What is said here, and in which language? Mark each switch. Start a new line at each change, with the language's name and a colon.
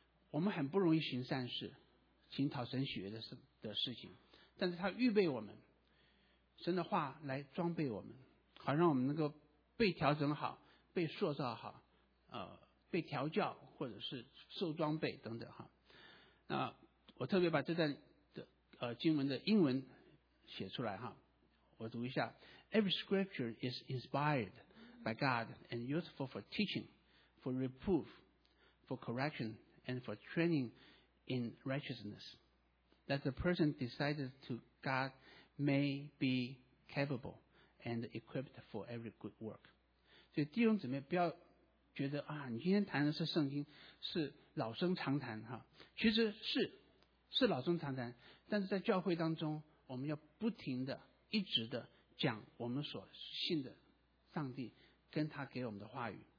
Chinese: 我们很不容易行善事，行讨神喜悦的事情，但是他预备我们，神的话来装备我们，好让我们能够被调整好，被塑造好，被调教，或者是受装备等等哈。那我特别把这段的经文的英文写出来哈。我读一下，
English: Every scripture is inspired by God and useful for teaching, for reproof, for correction, and for training in righteousness, that the person decided to God may be capable and equipped for every good work.
Chinese: 所以弟兄姊妹不要觉得啊，你今天谈的是圣经，是老生常谈哈，其实是老生常谈，但是在教会当中，我们要不停的一直的讲我们所信的上帝跟他给我们的话语。